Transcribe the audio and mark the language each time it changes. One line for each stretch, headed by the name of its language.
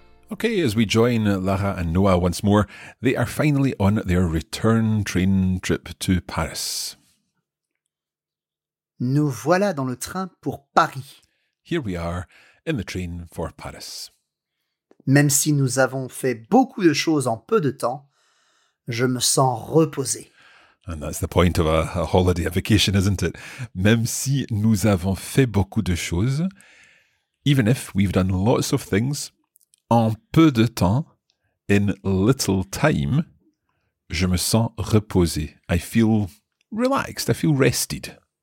English: OK, okay as we join Lara and Noah once more. They are finally on their return train trip to Paris.
French: Nous voilà dans le train pour Paris.
English: Here we are in the train for Paris.
French: Même si nous avons fait beaucoup de choses en peu de temps, je me sens reposé.
English: And that's the point of a holiday, a vacation, isn't it?
French: Même si nous avons fait beaucoup de choses,
English: even if we've done lots of things,
French: en peu de temps,
English: in little time,
French: je me sens reposé.
English: I feel relaxed, I feel rested.